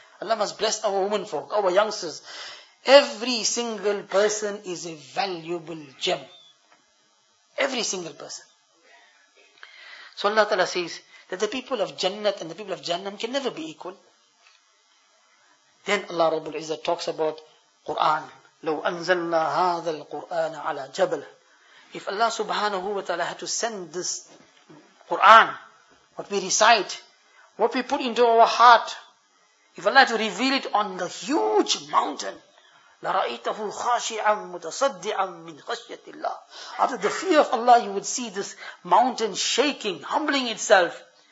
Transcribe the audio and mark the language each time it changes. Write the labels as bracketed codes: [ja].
[en] Allah must bless our women folk, our youngsters. Every single person is a valuable gem. Every single person. So Allah Ta'ala says, that the people of Jannat and the people of Jahannam can never be equal. Then Allah Rabbul Izzah talks about Quran. [ar] لو أنزلنا هذا القرآن على جبل. [en] If Allah subhanahu wa ta'ala had to send this Quran, what we recite, what we put into our heart, if Allah had to reveal it on the huge mountain, [ar] لَرَأَيْتَهُ خَاشِعًا مُتَصَدِّعًا مِّنْ خَشْيَةِ اللَّهِ. [en] After the fear of Allah, you would see this mountain shaking, humbling itself.